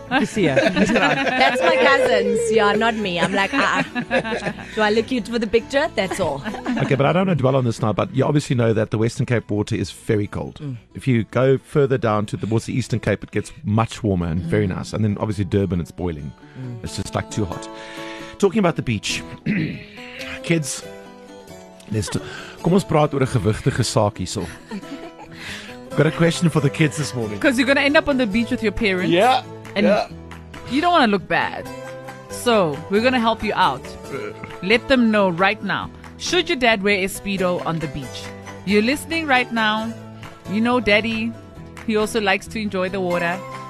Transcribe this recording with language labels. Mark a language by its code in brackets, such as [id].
[en] That's my cousins. Yeah, not me. I'm like, Do I look cute for the picture? That's all. Okay, but I don't want to dwell on this now, but you obviously know that the Western Cape water is very cold. Mm. If you go further down towards the Eastern Cape, it gets much warmer and very nice. And then obviously Durban, it's boiling. Mm. It's just like too hot. Talking about the beach, kids, [af] kom ons praat oor 'n gewigtige saak hierso. [en] Got a question for the kids this morning. Because you're going to end up on the beach with your parents. Yeah. And yeah. You don't want to look bad. So we're going to help you out. Let them know right now. Should your dad wear a Speedo on the beach? You're listening right now. You know daddy, he also likes to enjoy the water.